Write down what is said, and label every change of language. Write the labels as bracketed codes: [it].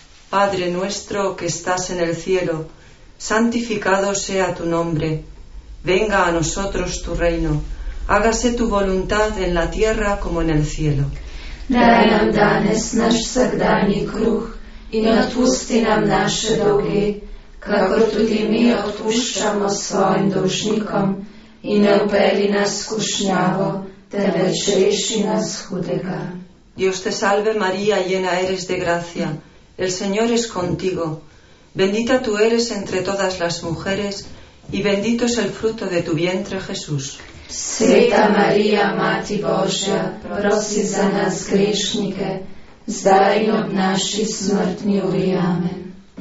[es] Padre nuestro, que estás en el cielo, santificado sea tu nombre, venga a nosotros tu reino, hágase tu voluntad en la tierra como en el cielo. [sl] Daj nam danes naš vsakdanji kruh in odpusti nam naše dolge, kakor tudi mi odpuščamo svojim dolžnikom, in ne upeli nas kušnjavo, temveč reši nas hudega. [es] Dios te salve Maria, llena eres de gracia, el Señor es contigo, bendita tú eres entre todas las mujeres y bendito es el fruto de tu vientre Jesús. [sl] Sveta Marija, Mati Božja, prosi za nas grešnike, zdaj in ob naši smrtni uri. Amen.